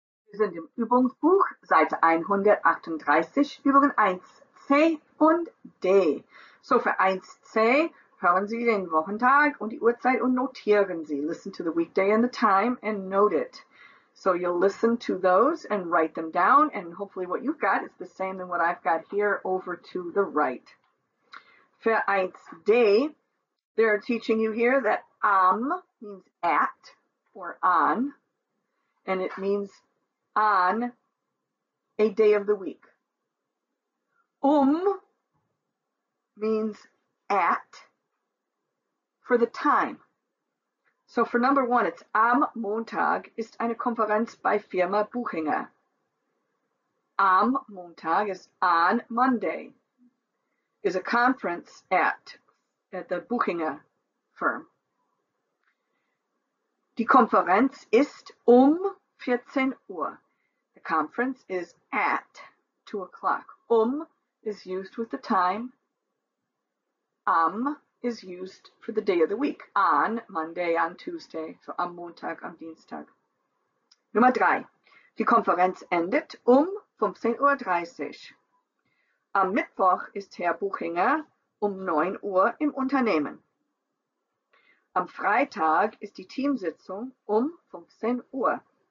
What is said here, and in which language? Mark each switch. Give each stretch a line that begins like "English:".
German: Wir sind im Übungsbuch, Seite 138, Übung 1c und d. So, für 1c hören Sie den Wochentag und die Uhrzeit und notieren Sie.
English: Listen to the weekday and the time and note it. So you'll listen to those and write them down, and hopefully what you've got is the same than what I've got here over to the right.
German: Für 1d,
English: they're teaching you here that am means at or on, and it means on a day of the week. Means at for the time. So for number one, it's
German: am Montag ist eine Konferenz bei Firma Buchinger.
English: Am Montag is on Monday, is a conference at the Buchinger firm.
German: Die Konferenz ist 14 Uhr.
English: The conference is at 2 o'clock. Is used with the time. Is used for the day of the week. On Monday, on Tuesday.
German: So am Montag, am Dienstag. Nummer 3. Die Konferenz endet 15.30 Uhr. Am Mittwoch ist Herr Buchinger 9 Uhr im Unternehmen. Am Freitag ist die Teamsitzung 15 Uhr.